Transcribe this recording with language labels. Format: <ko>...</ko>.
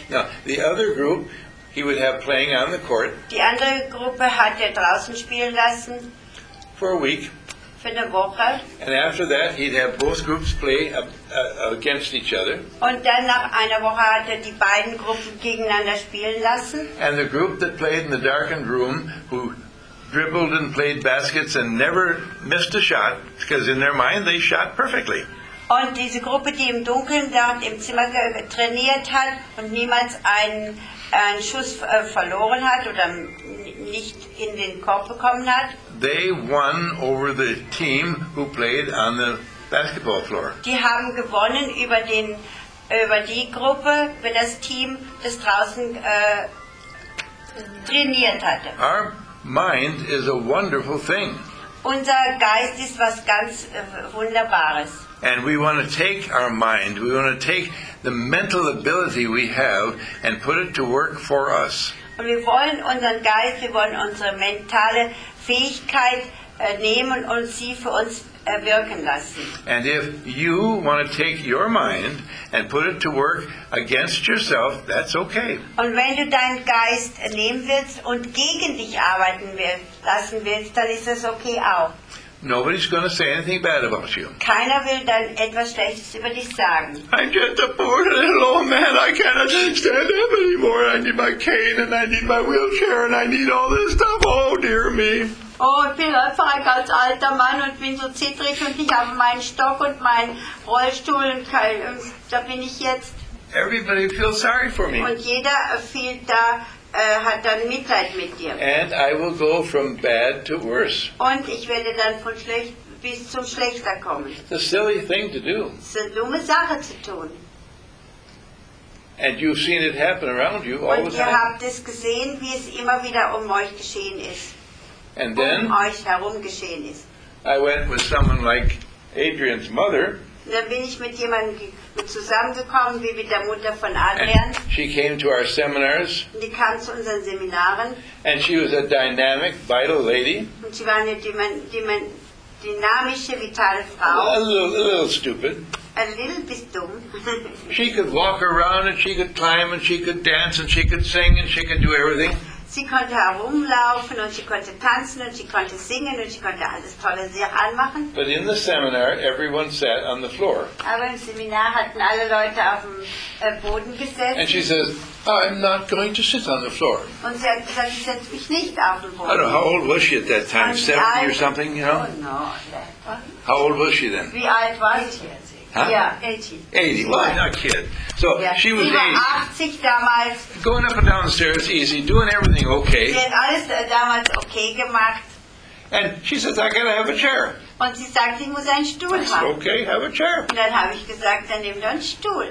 <en>Now, the other group he would have playing on the court.</en> <de>Die andere Gruppe hat er draußen spielen lassen.</de> <en>For a week.</en> <de>Für eine Woche.</de> <en>And after that, he'd have both groups play against each other.</en> <de>Und dann nach einer Woche hat er die beiden Gruppen gegeneinander spielen lassen.</de> <en>And the group that played in the darkened room, who dribbled and played baskets and never missed a shot, because in their mind they shot perfectly.</en> <de>Und diese Gruppe, die im Dunkeln dort im Zimmer trainiert hat und niemals einen Schuss verloren hat oder nicht in den Korb bekommen hat.</de> <en>They won over the team who played on the basketball floor.</en> <de>Die haben gewonnen über den über die Gruppe, über das Team, das draußen trainiert hatte.</de> <en>Our mind is a wonderful thing.</en> <de>Unser Geist ist was ganz Wunderbares.</de> <en>And we want to take our mind, we want to take the mental ability we have and put it to work for us.</en> <de>Und wir wollen unseren Geist, wir wollen unsere mentale Fähigkeit nehmen und sie für uns wirken lassen.</de> <en>And if you want to take your mind and put it to work against yourself, that's okay.</en> <de>Und wenn du deinen Geist nehmen willst und gegen dich arbeiten lassen willst, dann ist das okay auch.</de> <en>Nobody's going to say anything bad about you.</en> <de>Keiner will dann etwas Schlechtes über dich sagen.</de> <en>I'm just a poor little old man. I cannot stand up anymore. I need my cane and I need my wheelchair and I need all this stuff. Oh dear me.</en> <de>Oh, ich bin einfach ein ganz alter Mann und bin so zittrig und ich habe meinen Stock und meinen Rollstuhl und da bin ich jetzt.</de> <en>Everybody feels sorry for me.</en> <de>Und jeder fühlt da hat dann Mitleid mit dir.</de> <en>And I will go from bad to worse.</en> <de>Und ich werde dann von schlecht bis zum Schlechter kommen.</de> <en>It's a silly thing to do.</en> <de>Es ist eine dumme Sache zu tun.</de> <en>And you've seen it happen around you all</en> <de>und</de> <en>the time.</en> <de>Und ihr habt es gesehen, wie es immer wieder um euch geschehen ist.</de> <en>And then</en> <de>um euch herum geschehen ist.</de> <en>I went with someone like Adrian's mother.</en> <de>Dann bin ich mit jemandem zusammengekommen, wie mit der Mutter von Adrian.</de> <en>And she came to our seminars.</en> <de>Und die kam zu unseren Seminaren.</de> <en>And she was a dynamic, vital lady.</en> <de>Und sie war eine dynamische, vitale Frau.</de> <en>A little stupid. a little bit dumb. She could walk around and she could climb and she could dance and she could sing and she could do everything.</en> <de>Sie konnte herumlaufen und sie konnte tanzen und sie konnte singen und sie konnte alles tolle sich anmachen.</de> <en>But in the seminar, everyone sat on the floor.</en> <de>Aber im Seminar hatten alle Leute auf dem Boden gesessen.</de> <en>And she says, I'm not going to sit on the floor.</en> <de>Und sie hat gesagt, ich setze mich nicht auf den Boden.</de> <en>I don't know, how old was she at that time? 70 or something, you know? Oh, no, that how old was she then?</en> <de>Wie alt war sie?</de> <en>Huh? Yeah, 80. 80, well, not a kid. So, yeah. She was 80.</en> <de>80 damals.</de> <en>Going up and down the stairs, easy, doing everything okay.</en> <de>Sie hat alles damals okay gemacht.</de> <en>And she says, I gotta have a chair.</en> <de>Und sie sagt, ich muss einen Stuhl haben.</de> <en>I said, okay, have a chair.</en> <de>Und dann habe ich gesagt, dann nimm doch einen Stuhl.</de>